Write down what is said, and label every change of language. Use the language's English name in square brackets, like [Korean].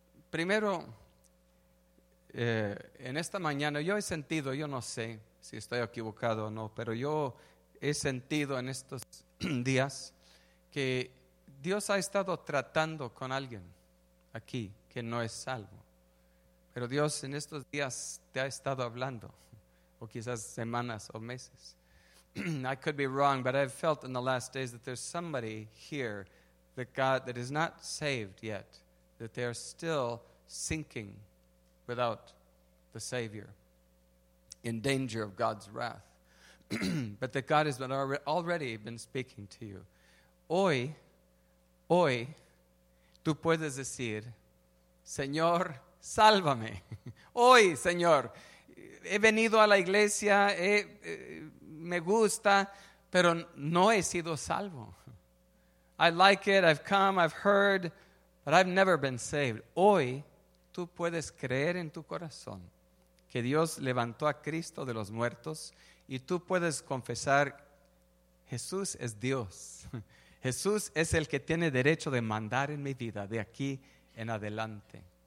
[Spanish] Primero, en esta mañana, yo he sentido, yo no sé si estoy equivocado o no, pero yo he sentido en estos días que Dios ha estado tratando con alguien aquí que no es salvo. Pero Dios en estos días te ha estado hablando, o quizás semanas o meses. [English] I could be wrong, but I've felt in the last days that there's somebody here that God, that is not saved yet, that they are still sinking without the Savior, in danger of God's wrath. But that God has already been speaking to you. [Spanish] Hoy, tú puedes decir, Señor, sálvame. Hoy, Señor, he venido a la iglesia, me gusta, pero no he sido salvo. [English] I like it, I've come, I've heard, but I've never been saved. [Spanish] Hoy, tú puedes creer en tu corazón que Dios levantó a Cristo de los muertos y tú puedes confesar, Jesús es Dios. Jesús es el que tiene derecho de mandar en mi vida de aquí en adelante.